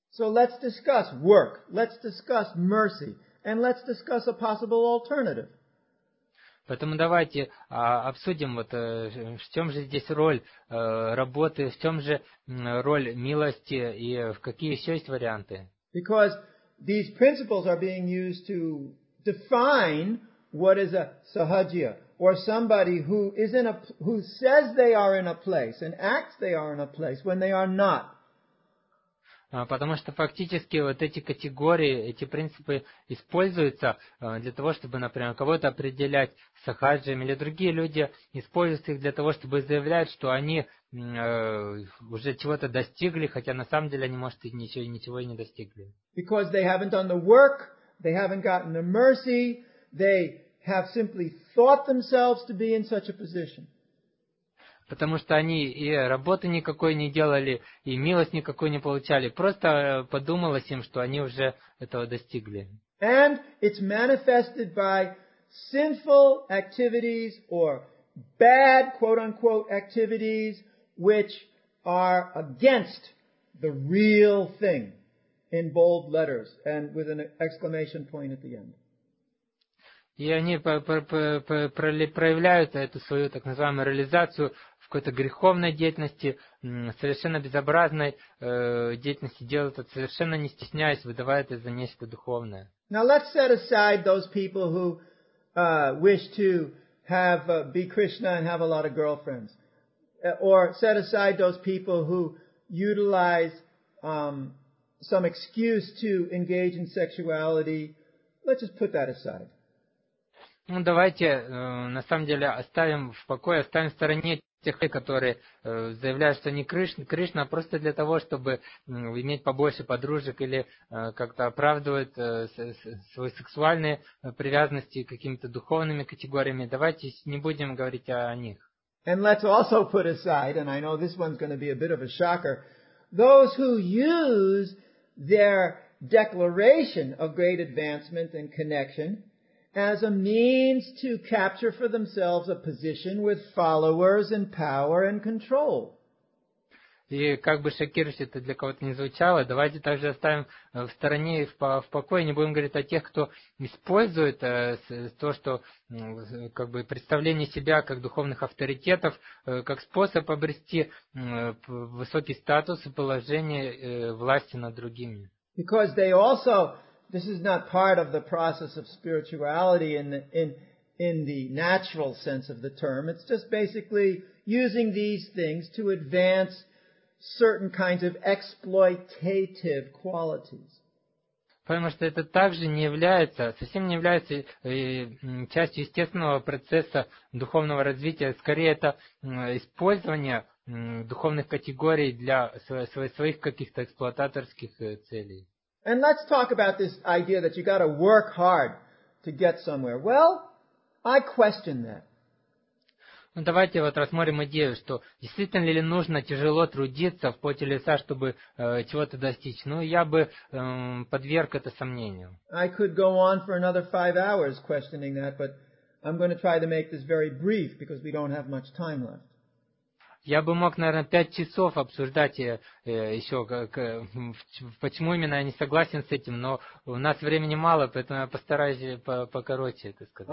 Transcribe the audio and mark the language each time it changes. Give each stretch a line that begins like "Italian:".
English: So let's discuss work, let's discuss mercy, and let's discuss a possible alternative.
Russian: Поэтому давайте обсудим, вот, в чем же здесь роль работы, в чем же роль милости и в какие еще есть варианты.
English: Because these principles are being used to define what is a sahajiya, or somebody who is in a, who says they are in a place and acts they are in a place when they are not.
Russian: Потому что фактически вот эти категории, эти принципы используются для того, чтобы, например, кого-то определять сахаджиями, или другие люди используют их для того, чтобы заявлять, что они уже чего-то достигли, хотя на самом деле они, может, ничего и не достигли.
English: Because they haven't done the work, they haven't gotten the mercy, they have simply thought themselves to be in such a position.
Russian: Потому что они и работы никакой не делали, и милость никакой не получали. Просто подумалось им, что они уже этого достигли.
English: And it's manifested by sinful activities or bad, quote-unquote, activities, which are against the real thing in bold letters and with an exclamation point at the end.
Russian: И они проявляют эту свою так называемую реализацию в какой-то греховной деятельности, совершенно безобразной деятельности, делают это совершенно не стесняясь, выдавая это за нечто духовное.
English: Now let's set aside those people who wish to have be Krishna and have a lot of girlfriends, or set aside those people who utilize some excuse to engage in sexuality. Let's just put that aside.
Russian: Ну, давайте, на самом деле, оставим в покое, оставим в стороне тех, которые заявляют, что они Кришна, а просто для того, чтобы иметь побольше подружек или как-то оправдывают свои сексуальные привязанности какими-то духовными категориями. Давайте не будем говорить о них.
English: And let's also put aside, and I know this one's going to be a bit of a shocker, those who use their declaration of great advancement and connection as a means to capture for themselves a position with followers and power and control.
Russian: И как бы шокирующе это для кого-то не звучало, давайте также оставим в стороне и в покое, не будем говорить о тех, кто использует то, что как бы представление себя как духовных авторитетов, как способ обрести высокий статус и положение власти над другими.
English: Because they also... This is not part of the process of spirituality in the natural sense of the term. It's just basically using these things to advance certain kinds of exploitative qualities.
Russian: Потому что это также не является, совсем не является частью естественного процесса духовного развития. Скорее, это использование духовных категорий для своих каких-то эксплуататорских целей.
English: And let's talk about this idea that you got to work hard to get somewhere. Well, I question that.
Russian: Ну давайте вот рассмотрим идею, что действительно ли нужно тяжело трудиться в поте лица, чтобы чего-то достичь. Ну я бы подверг это сомнению.
English: I could go on for another 5 hours questioning that, but I'm going to try to make this very brief because we don't have much time left.
Russian: Я бы мог, наверное, 5 часов обсуждать еще, почему именно я не согласен с этим, но у нас времени мало, поэтому я постараюсь покороче это сказать.